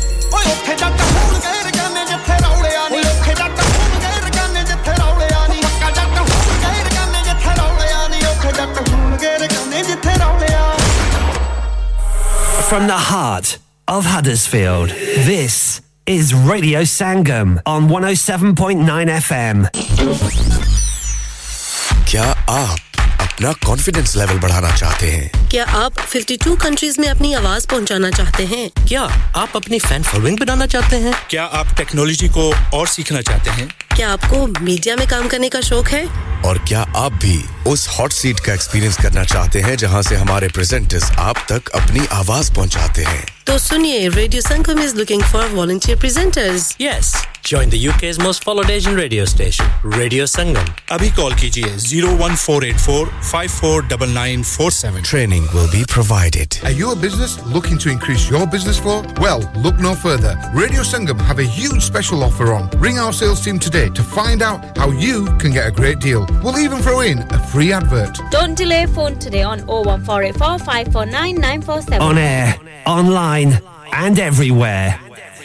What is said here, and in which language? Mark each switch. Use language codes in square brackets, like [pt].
[pa] ਉੱਥੇ ਜੱਟ ਹੋਣ ਗਏ ਰਕਾਨੇ ਜਿੱਥੇ ਰੌਲਿਆ ਨੀ ਉੱਥੇ ਜੱਟ ਹੋਣ ਗਏ ਰਕਾਨੇ ਜਿੱਥੇ ਰੌਲਿਆ ਨੀ ਪੱਕਾ ਜੱਟ ਹੋਣ ਗਏ ਰਕਾਨੇ ਜਿੱਥੇ ਰੌਲਿਆ ਨੀ ਉੱਥੇ ਜੱਟ ਹੋਣ ਗਏ ਰਕਾਨੇ ਜਿੱਥੇ ਰੌਲਿਆ [en] From the heart of Huddersfield this is radio Sangam on 107.9 FM. [hi] kya aap अपना कॉन्फिडेंस लेवल बढ़ाना चाहते हैं क्या आप 52 कंट्रीज में अपनी आवाज पहुंचाना चाहते हैं क्या आप अपनी फैन फॉलोइंग बनाना चाहते हैं क्या आप टेक्नोलॉजी को और सीखना चाहते हैं क्या आपको मीडिया में काम करने का शौक है और क्या आप भी उस हॉट सीट का एक्सपीरियंस करना चाहते हैं जहां से हमारे प्रेजेंटर्स आप तक अपनी आवाज पहुंचाते हैं तो सुनिए [en] radio Sangam is looking for volunteer presenters yes join the UK's most followed Asian radio station radio Sangam [hi] अभी कॉल कीजिए 01484549947 [en] Training will be provided are you a business looking to increase your business flow well look no further radio Sangam have a huge special offer on ring our sales team today to find out how you can get a great deal We'll even throw in a free advert. Don't delay, phone today on 01484549947. On air, online, and everywhere.